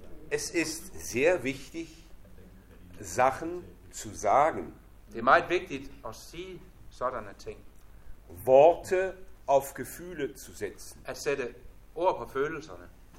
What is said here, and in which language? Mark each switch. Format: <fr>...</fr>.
<de>Es ist sehr wichtig, Sachen zu sagen.</de> <da>Det er meget vigtigt at sige sådanne ting.</da> <de>Worte auf Gefühle zu setzen.</de> <da>At sætte ord på følelserne.</da>